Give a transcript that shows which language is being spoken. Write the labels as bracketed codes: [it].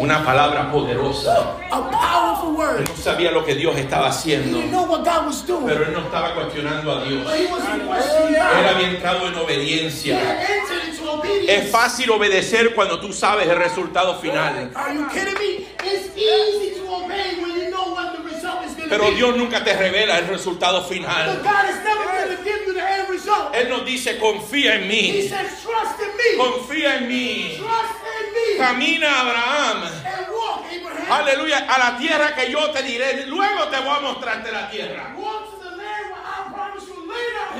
[es] Una palabra poderosa. [en] A powerful word. [es] Él no sabía lo que Dios estaba haciendo. [en] He didn't know what God was doing. [es] Pero él no estaba cuestionando a Dios. [en] But he wasn't questioning God. [es] Él había entrado en obediencia. [en] He had entered into obedience. [es] Es fácil obedecer cuando tú sabes el resultado final. [en] Are you kidding me? It's easy to obey when you know what the result is going to be. [es] Pero Dios nunca te revela el resultado final. [en] But God is never going to give you the end result. [es] Él nos dice, confía en mí. [en] He says, trust in me. [es] Confía en mí. [en] Trust in me. [es] Camina, Abraham. [en] And walk, Abraham. [es] Aleluya, a la tierra que yo te diré. Luego te voy a mostrarte la tierra. [en] Walk to the land where I promise you later.